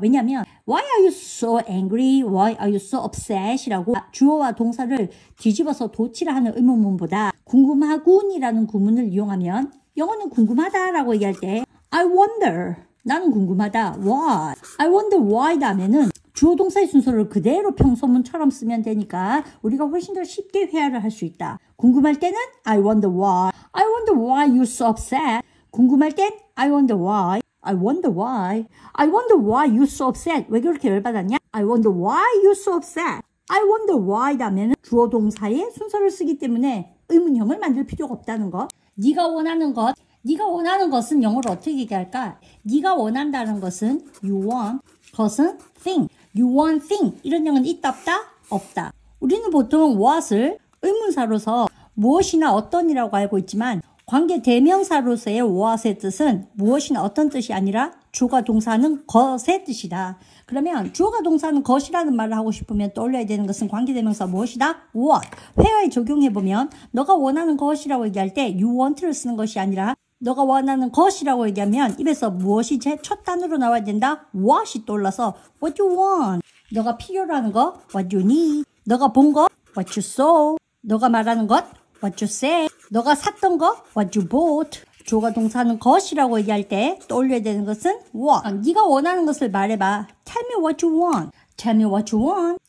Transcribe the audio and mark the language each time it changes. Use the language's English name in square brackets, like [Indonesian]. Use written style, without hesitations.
[Korean] 왜냐면 [English] why are you so angry? why are you so upset [Korean] 이라고 주어와 동사를 뒤집어서 도치라는 의문문보다 궁금하군이라는 구문을 이용하면 영어는 궁금하다라고 얘기할 때 I wonder 나는 궁금하다 why [English] I wonder why [Korean] 다음에는 주어 동사의 순서를 그대로 평소문처럼 쓰면 되니까 우리가 훨씬 더 쉽게 회화를 할수 있다. 궁금할 때는 [English] I wonder why I wonder why you're so upset. [Korean] 궁금할 땐 [English] I wonder why I wonder why I wonder why you're so upset. [Korean] 왜 그렇게 열받았냐 [English] I wonder why you're so upset. I wonder why [Korean] 다음에는 주어 동사의 순서를 쓰기 때문에 의문형을 만들 필요가 없다는 것. 네가 원하는 것, 네가 원하는 것은 영어로 어떻게 얘기할까? 네가 원한다는 것은 you want, 것은 thing, [English] you want thing. [Korean] 이런 형은 있다 없다? 없다. 우리는 보통 what을 의문사로서 무엇이나 어떤이라고 알고 있지만 관계 대명사로서의 what의 뜻은 무엇이나 어떤 뜻이 아니라 주어가 동사는 것의 뜻이다. 그러면 주어가 동사는 것이라는 말을 하고 싶으면 떠올려야 되는 것은 관계 대명사 무엇이다? [English] what. [Korean] 회화에 적용해보면 너가 원하는 것이라고 얘기할 때 you want를 쓰는 것이 아니라 너가 원하는 것이라고 얘기하면 입에서 무엇이 제 첫 단어로 나와야 된다? [English] what이 떠올라서 what you want. [Korean] 너가 필요로 하는 거 [English] what you need. [Korean] 너가 본 거 [English] what you saw. [Korean] 너가 말하는 것 [English] what you say. [Korean] 너가 샀던 거 [English] what you bought. [Korean] 주어가 동사는 것이라고 얘기할 때 떠올려야 되는 것은 what. 네가 원하는 것을 말해봐. [English] Tell me what you want. Tell me what you want.